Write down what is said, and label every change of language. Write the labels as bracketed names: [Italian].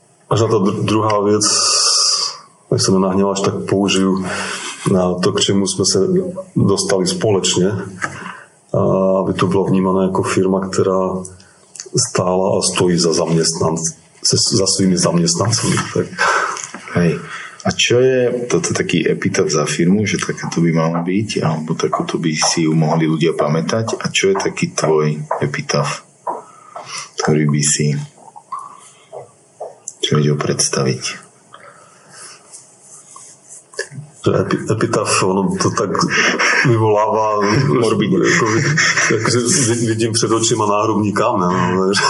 [Czech] A ta druhá věc, když se nenahněváš, tak použiju na to, k čemu jsme se dostali společně, aby to byla vnímána jako firma, která stála a stojí za zaměstnanci. Za svými zaměstnancami. Tak. [Slovak] Hej. A čo je toto taký epitaf za firmu, že takéto by malo byť, alebo takoto by si ju mohli ľudia pamätať? A čo je taký tvoj epitaf, ktorý by si čo vedel predstaviť? [Czech] Epitaf, ono to tak vyvolává morbidně. Takže vidím před očima náhrobní kámen.